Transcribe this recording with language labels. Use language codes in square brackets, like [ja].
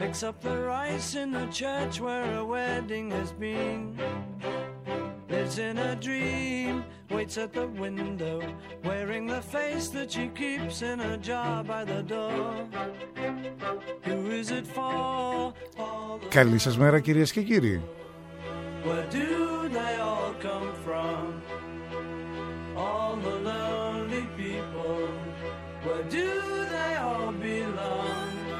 [en] Up the rice in the church where a wedding has been. Lives in a dream, waits at the window, wearing the face that she keeps in a jar by the door. Who is it for? [el] Καλή σας μέρα, κυρίες και κύριοι. [en] Where do they all come from? All the lonely people. Where do they all belong?